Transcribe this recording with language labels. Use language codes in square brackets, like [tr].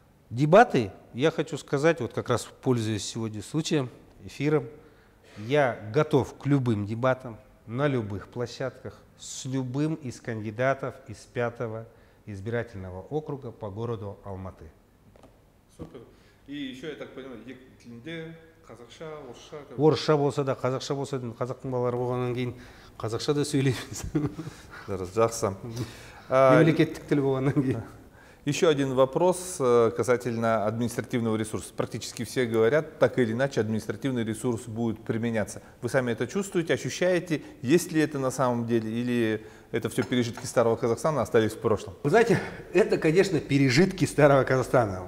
[ru] Дебаты, я хочу сказать, вот как раз пользуясь сегодня случаем, эфиром, я готов к любым дебатам на любых площадках с любым из кандидатов из 5-го избирательного округа по городу Алматы. И еще, я так понимаю, [kk] екі тілінде, қазақша, орысша. Орысша болса да, қазақша болса да, қазақтың балалары болғаннан кейін қазақша да сөйлейміз. Жақсы. Мемлекеттік тіл болғаннан кейін. [ru] Еще один вопрос касательно административного ресурса. Практически все говорят, так или иначе административный ресурс будет применяться. Вы сами это чувствуете, ощущаете? Есть ли это на самом деле или это все пережитки старого Казахстана, остались в прошлом? Вы знаете, это, конечно, пережитки старого Казахстана.